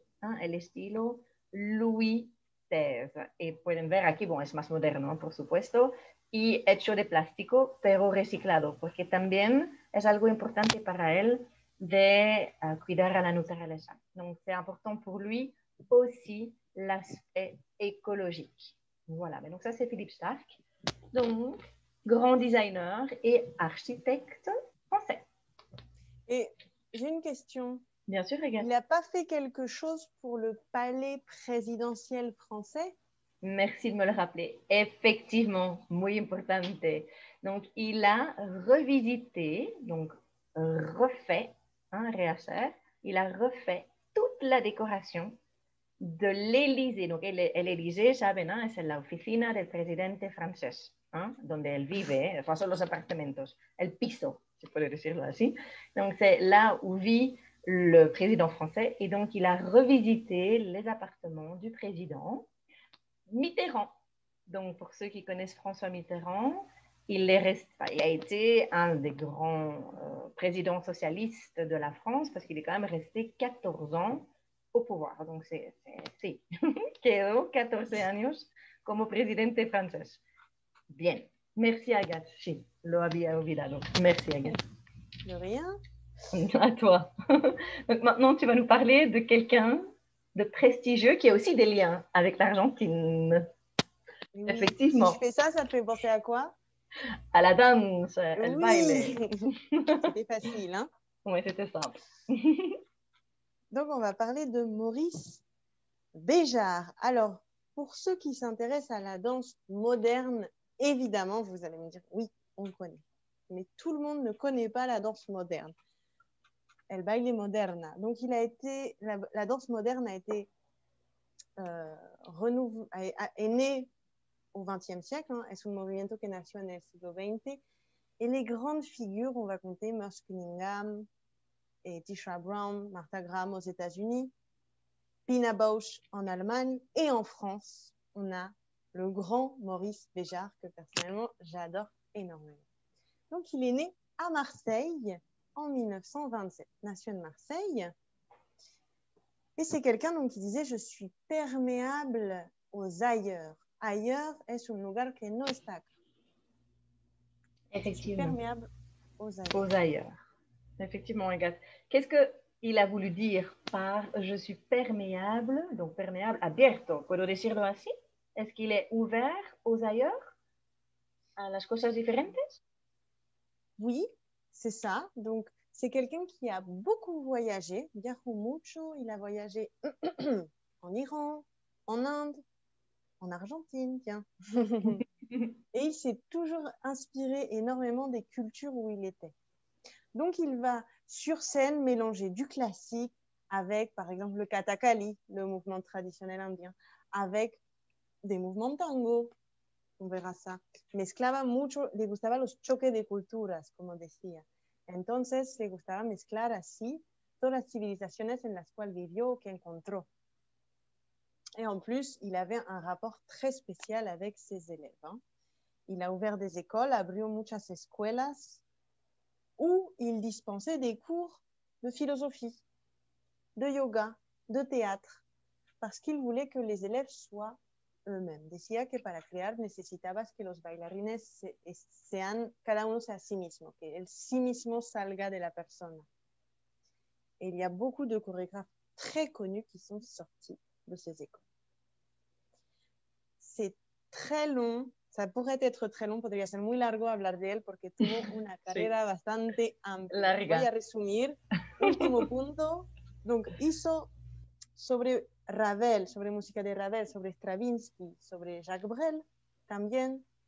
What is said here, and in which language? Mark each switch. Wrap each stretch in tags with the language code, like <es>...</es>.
<es>Hein, el estilo Louis XVI. Y pueden ver aquí, bueno, es más moderno, por supuesto, y hecho de plástico, pero reciclado, porque también es algo importante para él de cuidar a la naturaleza.</es> <fr>Donc, c'est important pour lui aussi l'aspect écologique. Voilà, mais donc ça, c'est Philippe Starck, donc grand designer et architecte français. Et j'ai une question. Bien sûr, regarde. Il n'a pas fait quelque chose pour le palais présidentiel français? Merci de me le rappeler.</fr> <es>Effectivement, muy importante.</es> <fr>Donc, il a revisité, donc refait, hein, réacher, il a refait toute la décoration de l'Élysée.</fr> <es>Donc, l'Élysée, saben, hein,</es> <fr>c'est la</fr> <es>oficina del presidente francés, hein, donde él vive, enfin, son los apartamentos, el piso, si puede decirlo así.</es> <fr>Donc, c'est là où vit le président français, et donc il a revisité les appartements du président Mitterrand. Donc pour ceux qui connaissent François Mitterrand, il a été un des grands présidents socialistes de la France parce qu'il est quand même resté 14 ans au pouvoir. Donc c'est</fr> <es>quedó 14 años como presidente francés. Bien,</es> <fr>merci</fr> <es>Agathe, sí, lo había olvidado.</es> <fr>Merci Agathe. De rien. À toi. Donc maintenant, tu vas nous parler de quelqu'un de prestigieux qui a aussi des liens avec l'Argentine. Oui, effectivement. Si je fais ça, ça te fait penser à quoi? À la danse, oui.</fr> <es>El baile.</es> <fr>C'était facile, hein? Oui, c'était simple. Donc, on va parler de Maurice Béjart. Alors, pour ceux qui s'intéressent à la danse moderne, évidemment, vous allez me dire, oui, on le connaît. Mais tout le monde ne connaît pas la danse moderne.</fr> <es>El baile moderna.</es> <fr>Donc, il a été, la danse moderne a été est née au XXe siècle.</fr> <es>Hein, es un movimiento que nació en el siglo XX.</es> <fr>Et les grandes figures, on va compter Merce Cunningham et Tisha Brown, Martha Graham aux États-Unis, Pina Bausch en Allemagne. Et en France, on a le grand Maurice Béjart, que personnellement, j'adore énormément. Donc, il est né à Marseille en 1927, nation de Marseille. Et c'est quelqu'un donc, qui disait « Je suis perméable aux ailleurs.</fr> <es>Ailleurs es un lugar que no está. »</es> <fr>Effectivement. « Perméable aux ailleurs. » Aux ailleurs. Effectivement, Agathe. Qu'est-ce qu'il a voulu dire par « Je suis perméable, donc perméable,</fr> <es>abierto. » Puedo decirlo así?</es> <fr>Est-ce qu'il est ouvert aux ailleurs?</fr> <es>À las cosas diferentes?</es> <fr>Oui. C'est ça. Donc, C'est quelqu'un qui a beaucoup voyagé,</fr> <es>viajó mucho,</es> <fr>il a voyagé en Iran, en Inde, en Argentine, tiens. Et il s'est toujours inspiré énormément des cultures où il était. Donc, il va sur scène mélanger du classique avec, par exemple, le Kathakali, le mouvement traditionnel indien, avec des mouvements de tango. On verra ça.</fr> <es>Mezclaba mucho, le gustaba los choques de culturas, como decía. Entonces, le gustaba mezclar así todas las civilizaciones en las cuales vivió o que encontró.</es> <fr>Et en plus, il avait un rapport très spécial avec ses élèves. Il a ouvert des écoles,</fr> <es>abrió muchas escuelas,</es> <fr>où il dispensait des cours de philosophie, de yoga, de théâtre, parce qu'il voulait que les élèves soient eux-mêmes.</fr> <es>Decía que para crear necesitabas que los bailarines sean cada uno sea a sí mismo, que el sí mismo salga de la persona.</es> <fr>Et il y a beaucoup de chorégraphes très connus qui sont sortis de ces écoles. C'est très long. Ça pourrait être très long,</fr> <es>podría ser muy largo hablar de él porque tuvo una carrera sí. bastante amplia. Larga. Voy a resumir. Último punto. Donc, hizo sobre Ravel, sobre música de Ravel, sobre Stravinsky, sobre Jacques Brel también.</es>